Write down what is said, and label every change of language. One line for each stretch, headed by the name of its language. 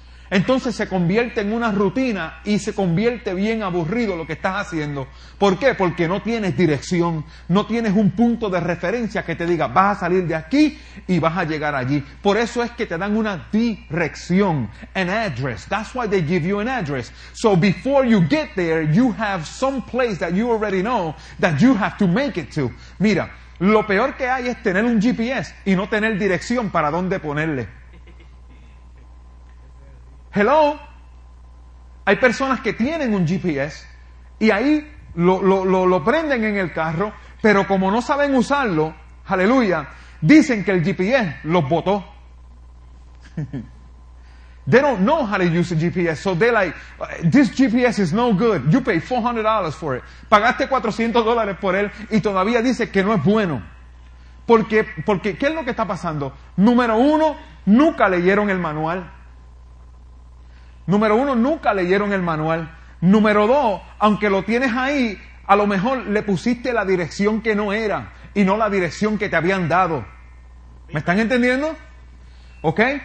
Spanish: Entonces se convierte en una rutina y se convierte bien aburrido lo que estás haciendo. ¿Por qué? Porque no tienes dirección, no tienes un punto de referencia que te diga, vas a salir de aquí y vas a llegar allí. Por eso es que te dan una dirección,
English: an address. That's why they give you an address. So before you get there, you have some place that you already know that you have to make it to.
Spanish: Mira, lo peor que hay es tener un GPS y no tener dirección para dónde ponerle. Hello, hay personas que tienen un GPS y ahí lo prenden en el carro, pero como no saben usarlo, aleluya, dicen que el GPS los botó.
English: They don't know how to use a GPS, so they're like, this GPS is no good, you pay $400 for it.
Spanish: Pagaste $400 por él y todavía dice que no es bueno. Porque ¿qué es lo que está pasando? Número uno, nunca leyeron el manual. Número uno, nunca leyeron el manual. Número dos, aunque lo tienes ahí, a lo mejor le pusiste la dirección que no era y no la dirección que te habían dado. ¿Me están entendiendo? ¿Ok?